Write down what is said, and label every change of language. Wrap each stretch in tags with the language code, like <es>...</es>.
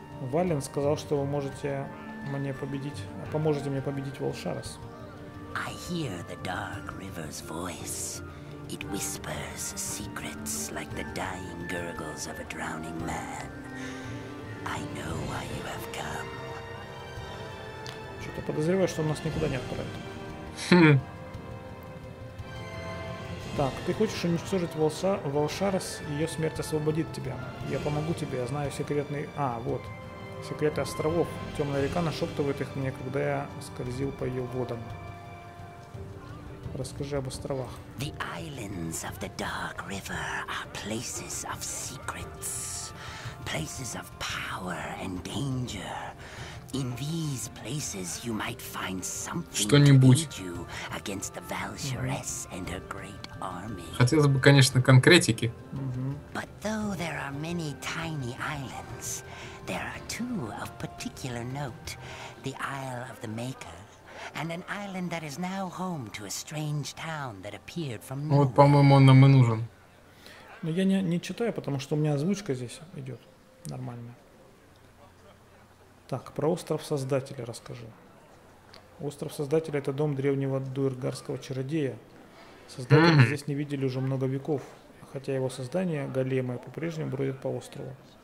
<ru>Вален сказал, что вы можете мне победить, поможете мне победить Волшарос.</ru> <en>I hear the dark river's voice. It whispers secrets like the dying gurgles of a drowning man. I know why you have come.</en> <ru>Что-то подозреваю, что он нас никуда не отправит. Так, ты хочешь уничтожить Волшарос, ее смерть освободит тебя. Я помогу тебе, я знаю секретный... А, вот. Секреты островов. Темная река нашептывает их мне, когда я скользил по ее водам. Расскажи об островах.</ru> <en>The islands of the Dark River are places of secrets. Places of power and danger. In these places you might find something to aid you against the Valshares and her great army.</en> <ru>Хотелось бы, конечно, конкретики.</ru> <en>But though there are many tiny islands, there are two of particular note. The Isle of the Maker and an island that is now home to a strange town that appeared from nowhere.</en> <ru>Вот, по-моему, он нам и нужен. Но я не читаю, потому что у меня озвучка здесь идет нормально. Так, про остров Создателя расскажи. Остров Создателя — это дом древнего дуэргарского чародея. Создателя здесь не видели уже много веков, хотя его создание, големы, по-прежнему бродят по острову.</ru>